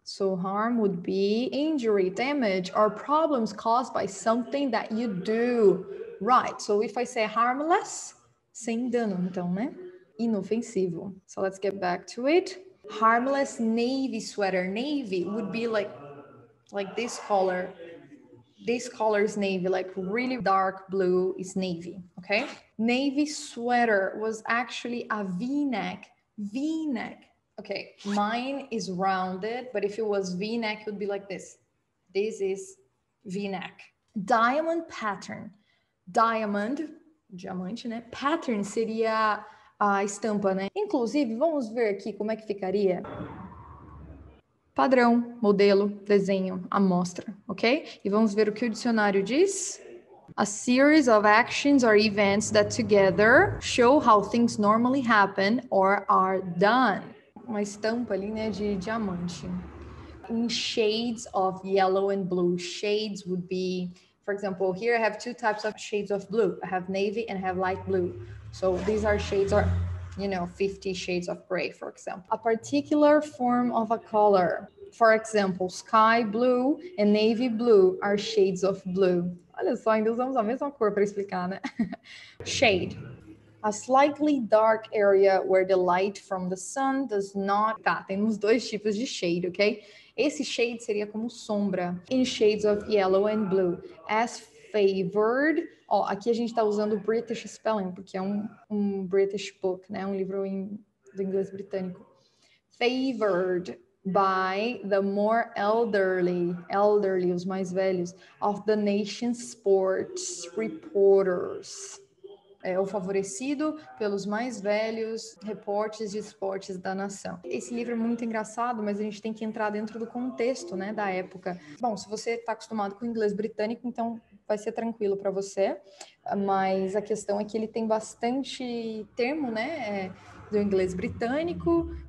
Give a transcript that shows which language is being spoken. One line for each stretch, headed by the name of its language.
English: So harm would be injury, damage, or problems caused by something that you do. Right. So if I say harmless,
Portuguese: sem dano, então, né?
English: Inofensivo. So let's get back to it. Harmless navy sweater. Navy would be like this color. This color is navy, like really dark blue is navy, okay? Navy sweater was actually a V-neck. V-neck. Okay, mine is rounded, but if it was V-neck, it would be like this. This is V-neck. Diamond pattern.
Portuguese: Diamond, diamante, né? Pattern seria a estampa, né? Inclusive, vamos ver aqui como é que ficaria. Padrão, modelo, desenho, amostra, ok? E vamos ver o que o dicionário diz.
English: A series of actions or events that together show how things normally happen or are done.
Portuguese: Uma estampa ali, né, de diamante.
English: In shades of yellow and blue. Shades would be For example, here I have two types of shades of blue. I have navy and I have light blue. So these are shades are, you know, 50 shades of gray, for example. A particular form of a color. For example, sky blue and navy blue are shades of blue.
Portuguese: Olha só, ainda usamos a mesma cor para explicar, né?
English: Shade. A slightly dark area where the light from the sun does not...
Portuguese: Tá, temos dois tipos de shade, ok? Esse shade seria como sombra.
English: In shades of yellow and blue. As favored...
Portuguese: Ó, aqui a gente tá usando British spelling, porque é um British book, né? Um livro do inglês britânico.
English: Favored by the more elderly,
Portuguese: os mais velhos,
English: of the nation's sports reporters.
Portuguese: É o favorecido pelos mais velhos reportes de esportes da nação. Esse livro é muito engraçado, mas a gente tem que entrar dentro do contexto, né, da época. Bom, se você está acostumado com o inglês britânico, então vai ser tranquilo para você. Mas a questão é que ele tem bastante termo, né, do inglês britânico.